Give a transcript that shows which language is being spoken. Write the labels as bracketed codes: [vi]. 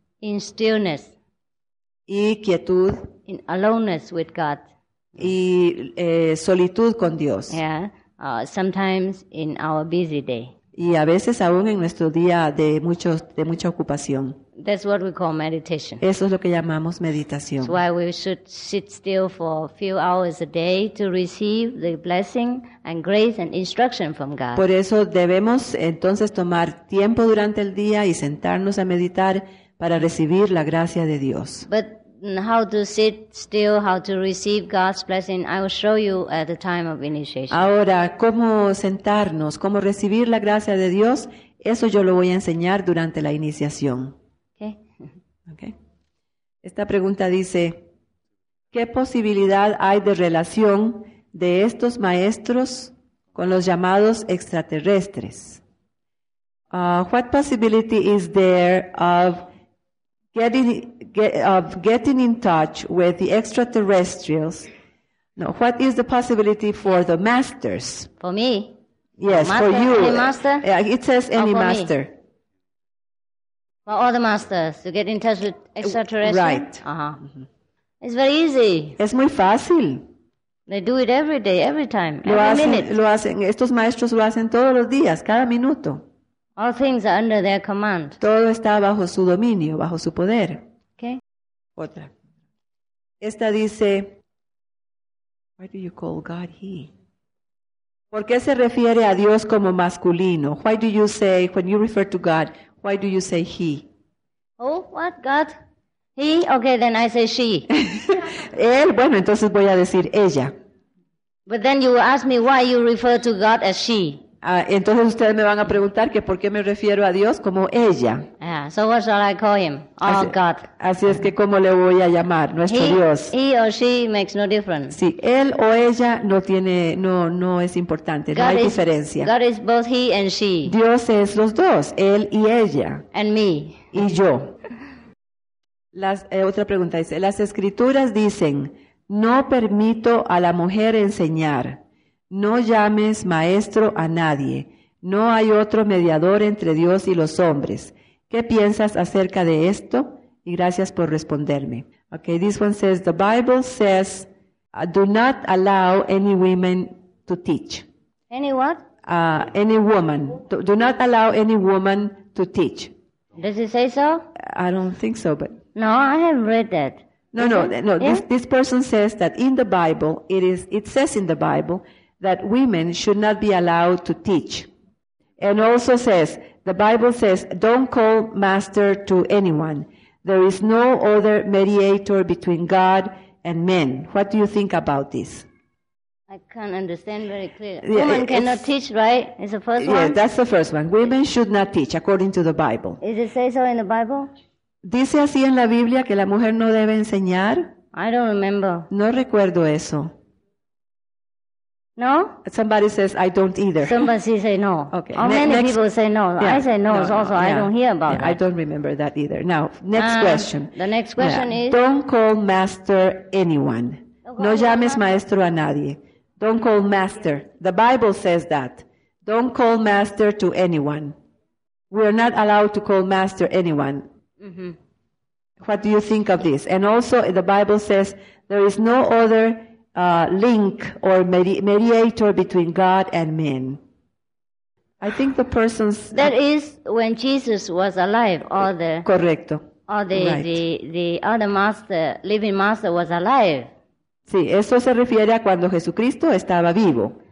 [en] In stillness. [es] Y quietud. [en] In aloneness with God. [es] Y solitud con Dios. [en] Yeah. Sometimes in our busy day. [es] Y a veces aún en nuestro día de mucha ocupación. [en] That's what we call meditation. [es] Eso es lo que llamamos meditación. [en] That's why we should sit still for a few hours a day to receive the blessing and grace and instruction from God. [es] Por eso debemos entonces tomar tiempo durante el día y sentarnos a meditar para recibir la gracia de Dios. [en] But how to sit still, how to receive God's blessing, I will show you at the time of initiation. [es] Ahora, cómo sentarnos, cómo recibir la gracia de Dios, eso yo lo voy a enseñar durante la iniciación. [en] Okay. [es] Esta pregunta dice, ¿qué posibilidad hay de relación de estos maestros con los llamados extraterrestres? [en] What possibility is there of getting in touch with the extraterrestrials? No, what is the possibility for the masters? For me? Yes, master, for you. Any master? It says any for master. Me. For all the masters to get in touch with extraterrestrials? Right. Uh-huh. It's very easy. [es] Es muy fácil. [en] They do it every day, every time, [es] lo [en] every [es] hacen, [en] minute. [es] Lo hacen. Estos maestros lo hacen todos los días, cada minuto. [en] All things are under their command. [es] Todo está bajo su dominio, bajo su poder. ¿Qué? Otra. Esta dice, [en] why do you call God he? [es] ¿Por qué se refiere a Dios como masculino? [en] Why do you say, when you refer to God, why do you say he? Oh, what, God? He? Okay, then I say she. [es] Él, bueno, entonces voy a decir ella. [en] But then you will ask me why you refer to God as she. [es] Entonces ustedes me van a preguntar que por qué me refiero a Dios como ella. [en] Yeah, so what shall I call him? Oh, [es] así, [en] God. [es] Así es que cómo le voy a llamar, nuestro Dios. [en] He or she makes no difference. [es] Sí, él o ella no tiene, no es importante, [en] God [es] no hay [en] is, [es] diferencia. [en] God is both he and she. [es] Dios es los dos, él y ella. [en] And me. [es] Y yo. Otra pregunta dice, las escrituras dicen, no permito a la mujer enseñar. No llames maestro a nadie. No hay otro mediador entre Dios y los hombres. ¿Qué piensas acerca de esto? Y gracias por responderme. [en] Okay, this one says, the Bible says, do not allow any women to teach. Any what? Any woman. Do not allow any woman to teach. Does it say so? I don't think so, but... No, I have read that. No. Yeah? This person says that in the Bible, it says in the Bible... that women should not be allowed to teach. And also says, the Bible says, don't call master to anyone. There is no other mediator between God and men. What do you think about this? I can't understand very clearly. Yeah, women cannot teach, right? It's the first one? Yeah, that's the first one. Women should not teach, according to the Bible. Does it say so in the Bible? [es] ¿Dice así en la Biblia que la mujer no debe enseñar? [en] I don't remember. [es] No recuerdo eso. [en] No? Somebody says, I don't either. Somebody says no. Okay. How many next, people say no? Yeah. I say no. Also, yeah. I don't hear about that. I don't remember that either. Now, next question. The next question is? Don't call master anyone. [es] No llames maestro a nadie. [en] Don't call master. The Bible says that. Don't call master to anyone. We are not allowed to call master anyone. Mm-hmm. What do you think of this? And also, the Bible says, there is no other... link or mediator between God and men. I think the person's... That is when Jesus was alive, all the... [es] Correcto. [en] All the, right. the other master, living master was alive. [es] Sí, eso se refiere a cuando Jesucristo estaba vivo.